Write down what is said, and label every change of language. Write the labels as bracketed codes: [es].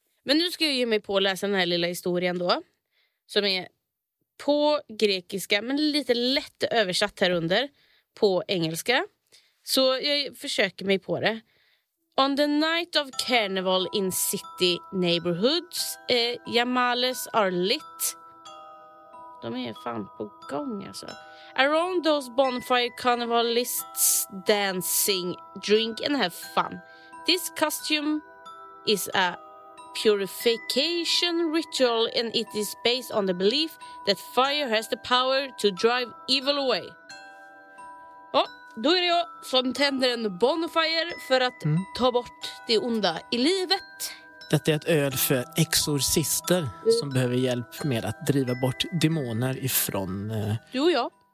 [sv] Men nu ska jag ge mig på att läsa den här lilla historien då. Som är på grekiska, men lite lätt översatt här under på engelska. Så jag försöker mig på det. [en] On the night of carnival in city neighborhoods, Jamales are lit. [sv] De är fan på gång, alltså. [en] Around those bonfire carnivalists dancing, drink and have fun. This costume is a purification ritual, and it is based on the belief that fire has the power to drive evil away. [sv] Ja, då är det jag som tänder en bonfire för att ta bort det onda i livet. Detta är ett öl för exorcister som behöver hjälp med att driva bort demoner ifrån... Du och jag.